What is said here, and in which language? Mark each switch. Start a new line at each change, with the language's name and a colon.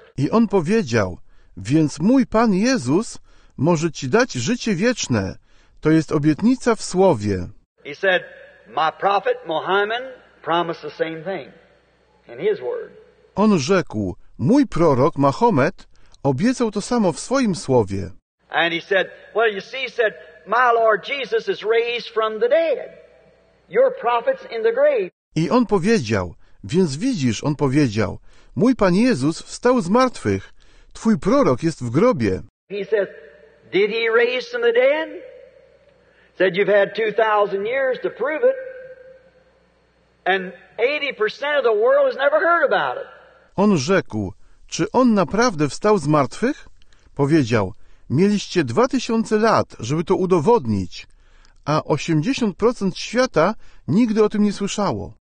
Polish: I on powiedział, więc mój Pan Jezus może ci dać życie wieczne. To jest obietnica w Słowie.
English: He said, my prophet Muhammad promised the same thing in his Word.
Polish: On rzekł, mój prorok Mahomet Obiecał to samo w swoim słowie.
English: And he said, well, you see, he said, my Lord Jesus is raised from the dead. Your prophet's in the grave.
Polish: I on powiedział, więc widzisz, on powiedział, mój Pan Jezus wstał z martwych, twój prorok jest w grobie.
English: He says, did he raise from the dead? Said, you've had 2,000 years to prove it. And 80% of the world has never heard about it.
Polish: On rzekł, czy on naprawdę wstał z martwych? Powiedział, mieliście 2000 lat, żeby to udowodnić, a 80% świata nigdy o tym nie słyszało.